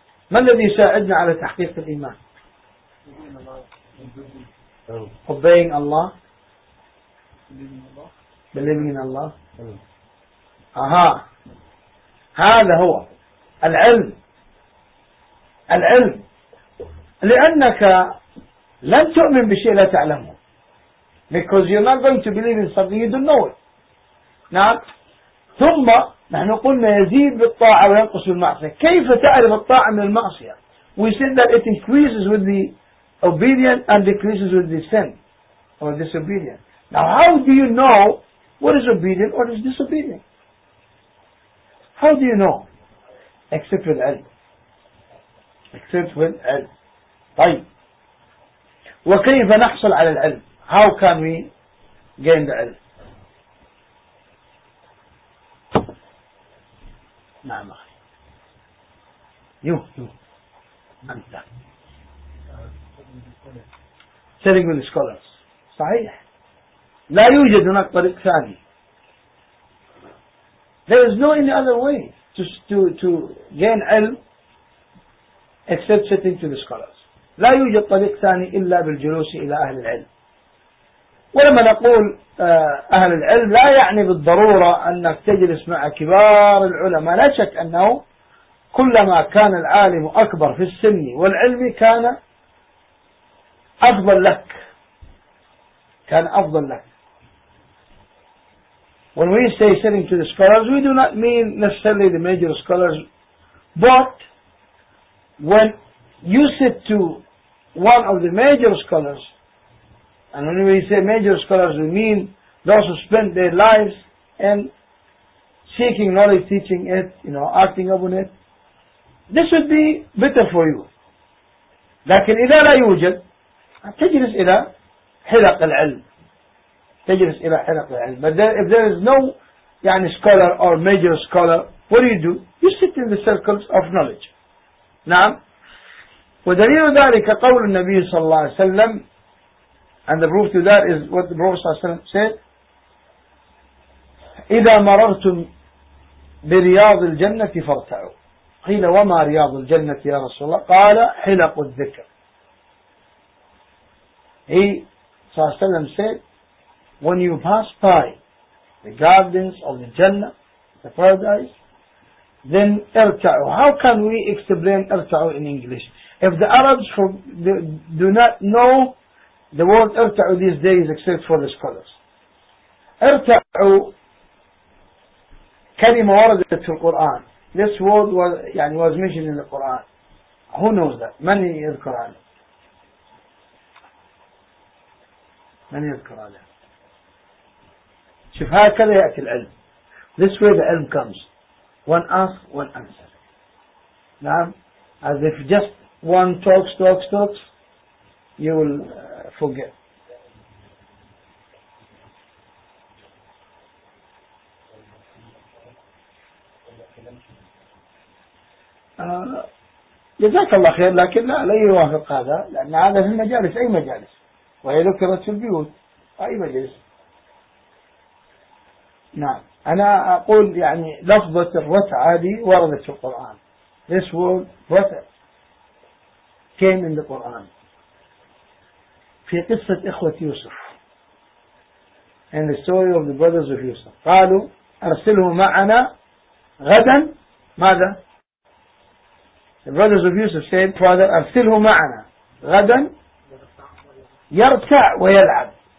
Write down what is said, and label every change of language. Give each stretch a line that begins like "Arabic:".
Arabic: ما الذي يساعدنا على تحقيق الإيمان؟
English: Obeying Allah. Believing in Allah.
Arabic: أها. هذا هو العلم. العلم. لأنك لن تؤمن بشيء لا تعلمه.
English: Because you're not going to believe in something you don't know it.
Arabic: نعم. ثم نحن قلنا يزيد بالطاعة وينقص بالمعصية. كيف تعرف الطاعة من المعصية؟
English: We said that it increases with the obedience and decreases with the sin or disobedience. Now how do you know what is obedient or is disobedient? How do you know? Except with علم. Except with علم.
Arabic: طيب. وكيف نحصل على العلم?
English: How can we gain the علم?
Arabic: نعم أخي.
English: You أنت سيرينج من سكولرز صحيح.
Arabic: لا يوجد هناك طريق ثاني.
English: There is no any other way to gain علم except sitting to the scholars.
Arabic: لا يوجد طريق ثاني إلا بالجلوس إلى أهل العلم. ولما نقول أهل العلم لا يعني بالضرورة أنك تجلس مع كبار العلماء. لا شك أنه كلما كان العالم أكبر في السن والعلم كان أفضل لك. كان أفضل لك.
English: When we say sitting to the scholars, we do not mean necessarily the major scholars, but when you sit to one of the major scholars, and when we say major scholars, we mean those who spent their lives in seeking knowledge, teaching it, you know, acting upon it, this would be better for you.
Arabic: لكن إذا لا يوجد تجلس إلى حلق العلم تجلس إلى حلق العلم.
English: But then, if there is no يعني scholar or major scholar, what do? You sit in the circles of knowledge.
Arabic: نعم. ودليل ذلك قول النبي صلى الله عليه وسلم,
English: and the proof to that is what the Prophet
Arabic: صلى الله عليه وسلم said, إذا مررتم برياض الجنة فارتعوا. قيل وما رياض الجنة يا رسول الله؟ قال حلق الذكر.
English: He صلى الله عليه وسلم said, when you pass by the gardens of the Jannah, the paradise, then ارتعوا. How can we explain ارتعوا in English? If the Arabs do not know the word ارتعوا these days except for the scholars.
Arabic: ارتعوا كلمة وردت في القرآن.
English: This word was mentioned in the Quran. Who knows that? Many in the Quran. Many in the Quran.
Arabic: شوف هكذا يأتي العلم.
English: This way the ilm comes. One ask, one answer. نعم. As if just one talks, you will forget.
Arabic: جزاك الله خير, لكن لا يوافق هذا, لأن هذا في المجالس, أي مجالس, وهي ذكرت في البيوت, أي مجلس. نعم, أنا أقول يعني لفظة الرتع هذه وردت في القرآن.
English: This word رتع came in the Quran.
Arabic: في قصة إخوة يوسف,
English: in the story of the brothers of Yusuf,
Arabic: قالوا أرسله معنا غدا.
English: ماذا؟ The brothers of Yusuf said, "Father,
Arabic: أرسله معنا غدا يرتع ويلعب.